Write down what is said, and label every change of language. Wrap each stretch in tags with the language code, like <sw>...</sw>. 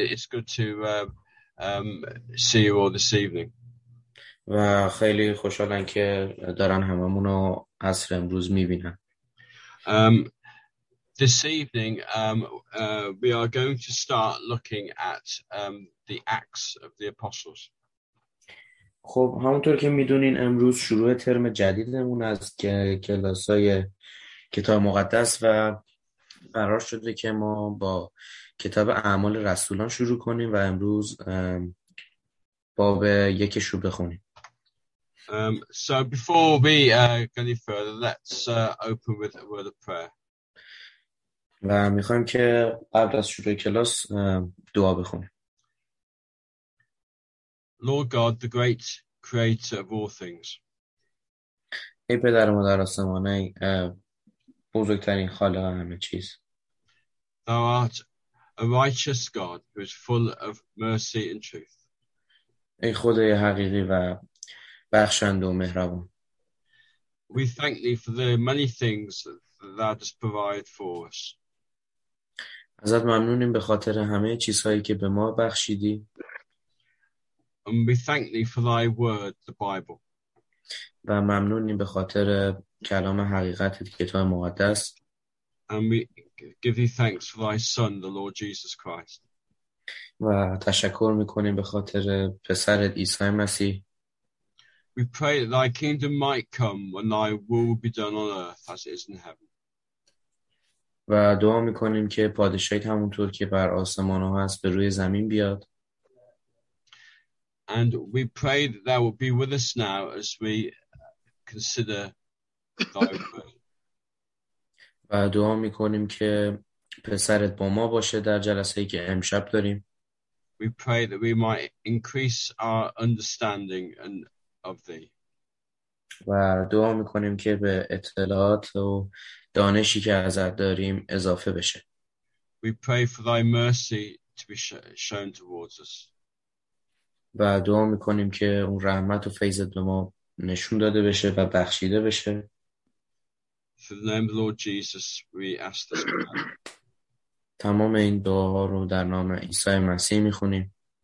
<en>It's good to see you all this evening.</en> <fa>و خیلی خوشحالن که دارن هممونو عصر امروز میبینن.</fa> <en>This evening we are going to start looking at the Acts of the Apostles.</en> <fa>خب همونطور که میدونین امروز شروع ترم جدیدمون از کلاسای کتاب مقدس و قرار شده که ما با کتاب اعمال رسولان شروع کنیم و امروز باب یکش رو بخونیم.</fa> <en>So before we go any further, let's open with a word of prayer.</en> <fa>و میخوایم که قبل از شروع کلاس دعا بخونیم.</fa> <en>Lord God, the great creator of all things.</en> <fa>ای پدر مادر آسمانی، بزرگترین خالق همه چیز.</fa> <en>Thou art a righteous God who is full of mercy and truth.</en> <fa>ای خدای حقیقی و بخشنده و مهربان.</fa> <en>We thank thee for the many things that thou hast provided for us.</en> <fa>ازت ممنونیم به خاطر همه چیزهایی که به ما بخشیدی.</fa> <en>And we thank thee for thy word, the Bible.</en> <fa>و ممنونیم به خاطر کلام حقیقت کتاب مقدس.</fa> <en>And we give thee thanks for thy son, the Lord Jesus Christ.</en> <fa>و تشکر میکنیم به خاطر پسرت عیسی مسیح.</fa> <en>We pray that thy kingdom might come and thy will be done on earth as it is in heaven.</en> <fa>و دعا میکنیم که پادشاهیت همونطور که بر آسمان ها هست به روی زمین بیاد.</fa> <en>And we pray that thou will be with us now as we consider thy word.</en> <fa>و دعا میکنیم که پسرت با ما باشه در جلسه ای که امشب داریم.</fa> <en>We pray that we might increase our understanding and of thee.</en> <fa>و دعا میکنیم که به اطلاعات و دانشی که ازت داریم اضافه بشه.</fa> <en>We pray for thy mercy to be shown towards us.</en> <fa>و دعا میکنیم که اون رحمت و فیضت به ما نشون داده بشه و بخشیده بشه.</fa> <en>For the name of Lord Jesus, we ask this prayer.</en> <fa>تمام این دعا رو در نام عیسی مسیح میخونیم.</fa>